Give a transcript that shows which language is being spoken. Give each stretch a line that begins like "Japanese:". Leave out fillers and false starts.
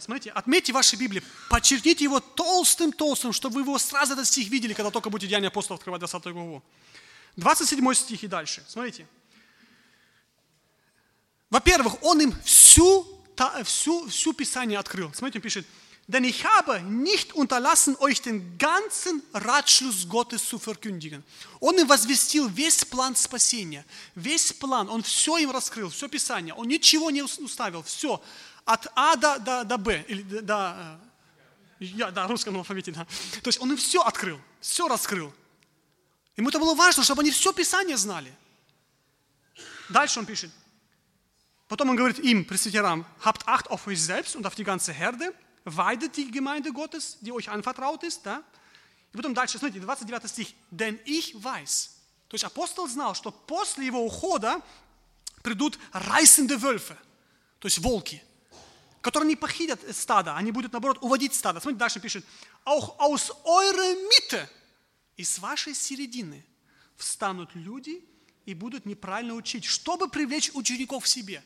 Russian: Смотрите, отметьте ваши Библии, подчеркните его толстым-толстым, чтобы вы его сразу этот стих видели, когда только будет Деяния апостолов открывать 20 главу. 27 стих и дальше. Смотрите. Во-первых, он им всю Писание открыл. Смотрите, он пишет.
German: Denn ich habe nicht unterlassen, euch den ganzen Ratschluss Gottes zu verkündigen.
Russian: Он им возвестил весь план спасения. Весь план. Он все им раскрыл, все Писание. Он ничего не уставил. Все. От А до Б. Или до... Я, да, русском алфавите, да. То есть он им все открыл. Все раскрыл. Ему это было важно, чтобы они все Писание знали. Дальше он пишет. Потом он говорит им, пресвитерам,
German: habt acht auf euch selbst und auf die ganze Herde, weidet die Gemeinde Gottes, die euch anvertraut ist.
Russian: Да? И потом дальше, смотрите, 29 стих,
German: denn ich weiß.
Russian: То есть апостол знал, что после его ухода придут
German: reißende Wölfe,
Russian: то есть волки, которые не похитят стадо, они будут, наоборот, уводить стадо. Смотрите, дальше пишет,
German: auch aus eurer Mitte,
Russian: из вашей середины встанут люди, и будут неправильно учить, чтобы привлечь учеников к себе.